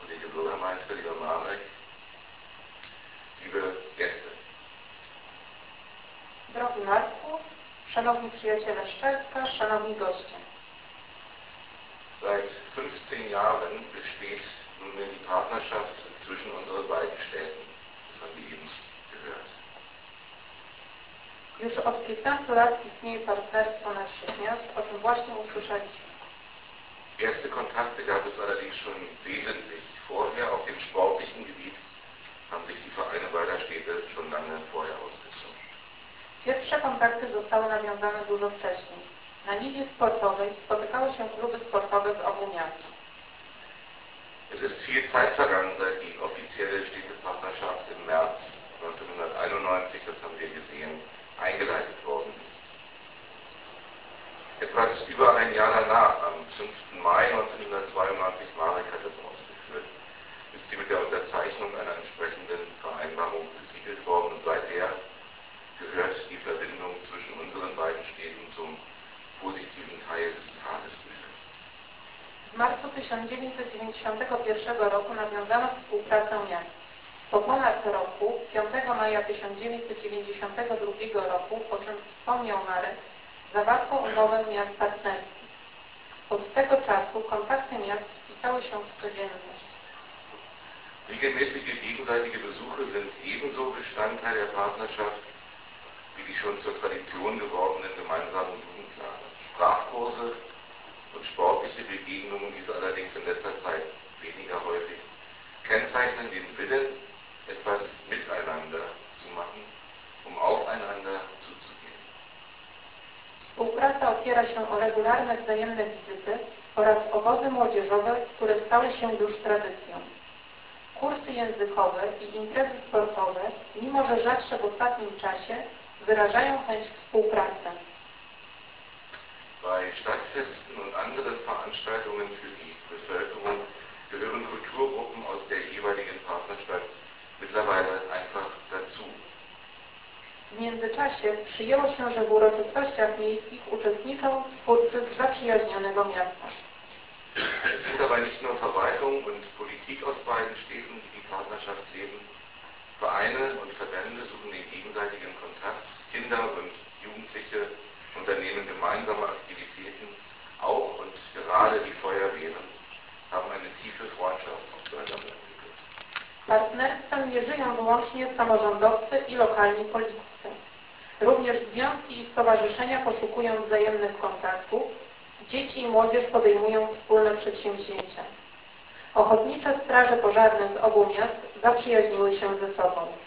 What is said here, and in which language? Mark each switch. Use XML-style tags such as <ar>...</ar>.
<de>Bürgermeister, lieber Marek, liebe Gäste.</de> <pl>Drogi Marku, szanowni przyjaciele Szczecka, szanowni goście.</pl> <de>Seit 15 Jahren besteht nunmehr die Partnerschaft zwischen unseren beiden Städten, das haben wir eben gehört.</de> <pl>Już od 15 lat istnieje partnerstwo naszych miast, o czym właśnie usłyszeliśmy.</pl> <de>Erste Kontakte gab es allerdings schon wesentlich vorher auf dem sportlichen Gebiet, haben sich die Vereine beider Städte schon lange vorher ausgetauscht.</de> <pl>Pierwsze kontakty zostały nawiązane dużo wcześniej. Na linii sportowej spotykały się kluby sportowe z obu miast.</pl> <de>Es ist viel Zeit vergangen, seit die offizielle Städtepartnerschaft im März 1991, das haben wir gesehen, eingeleitet worden ist. Etwas über ein Jahr danach, am 5. Mai 1992, Marek hat es ausgeführt, ist sie mit der Unterzeichnung einer entsprechenden Vereinbarung besiegelt worden und seither gehört die Verbindung zwischen unseren beiden Städten zum positiven Teil des Tagesbildes.</de> <pl>W marcu 1991 roku nawiązano współpracę miast. Po ponad roku, 5 maja 1992 roku, o czym wspomniał Marek, zawarto umowę miast partnerskich. Od tego czasu kontakty miast wpisały się w codzienność.</pl> <de>Regelmäßige gegenseitige Besuche sind ebenso Bestandteil der Partnerschaft wie die schon zur Tradition gewordenen gemeinsamen Jugendlager. Sprachkurse und sportliche Begegnungen, diese allerdings in letzter Zeit weniger häufig, kennzeichnen den Willen, etwas miteinander zu machen, um aufeinander zuzugehen.</de> <pl>Współpraca opiera się o regularne wzajemne wizyty oraz obozy młodzieżowe, które stały się już tradycją. Kursy językowe i imprezy sportowe, mimo że rzadsze w ostatnim czasie, wyrażają chęć współpracy.</pl> <de>Bei Stadtfesten und anderen Veranstaltungen für die Bevölkerung gehören Kulturgruppen aus der jeweiligen Partnerstadt mittlerweile einfach dazu.</de> <pl>W międzyczasie przyjęło się, że w uroczystościach miejskich uczestniczą twórcy z zaprzyjaźnionego miasta.</pl> <de>Es sind dabei nicht nur Verwaltung und Politik aus beiden Städten, die die Partnerschaft leben. Vereine und Verbände suchen den gegenseitigen Kontakt. Kinder und Jugendliche unternehmen gemeinsame Aktivitäten. Auch und gerade die Feuerwehren haben eine tiefe Freundschaft zueinander entwickelt.</de> <pl>Partnerstwem nie żyją wyłącznie samorządowcy i lokalni politycy. Również związki i stowarzyszenia poszukują wzajemnych kontaktów. Dzieci i młodzież podejmują wspólne przedsięwzięcia. Ochotnicze straże pożarne z obu miast zaprzyjaźniły się ze sobą.</pl>